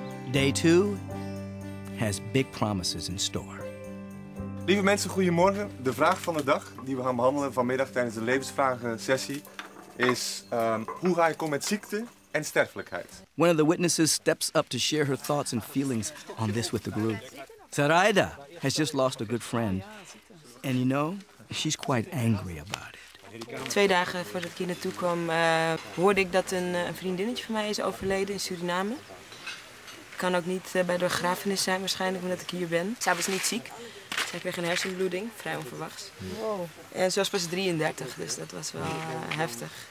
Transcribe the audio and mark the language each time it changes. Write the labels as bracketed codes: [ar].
[en] Day 2 has big promises in store. [nl] Lieve mensen, goedemorgen. De vraag van de dag die we gaan behandelen vanmiddag tijdens de levensvragen sessie is hoe ga ik om met ziekte en sterfelijkheid? [en] One of the witnesses steps up to share her thoughts and feelings on this with the group. Zaraida has just lost a good friend. And you know, she's quite angry about it. [nl] 2 dagen voordat ik hier naartoe kwam, hoorde ik dat een vriendinnetje van mij is overleden in Suriname. Ik kan ook niet bij de begrafenis zijn waarschijnlijk, omdat ik hier ben. Zij was niet ziek. Zij kreeg een hersenbloeding, vrij onverwachts. Wow. En ze was pas 33, dus dat was wel heftig.